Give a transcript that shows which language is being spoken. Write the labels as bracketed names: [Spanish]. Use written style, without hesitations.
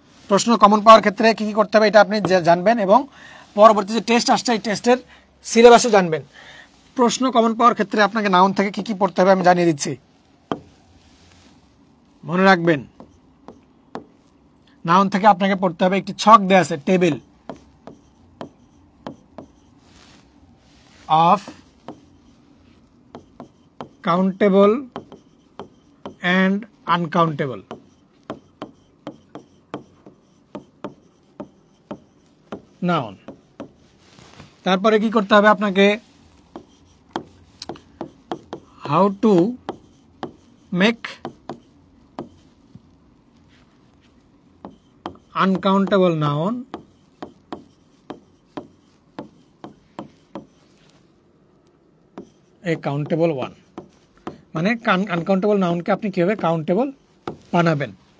[Bangla] প্রশ্ন কমন পাওয়ার ক্ষেত্রে কি কি করতে হবে এটা আপনি জানবেন এবং পরবর্তী যে টেস্ট আসছে এই টেস্টের সিলেবাসও জানবেন প্রশ্ন কমন পাওয়ার ক্ষেত্রে আপনাকে নাউন থেকে কি কি পড়তে হবে আমি জানিয়ে দিচ্ছি মনে রাখবেন নাউন থেকে আপনাকে পড়তে হবে একটি ছক দেওয়া আছে table of [English] countable and uncountable. [Bangla] Noun. তারপরে কি করতে হবে আপনাকে? [English] How to make uncountable noun a countable one. [Bangla] মানে uncountable noun কে আপনি কিভাবে countable বানাবেন?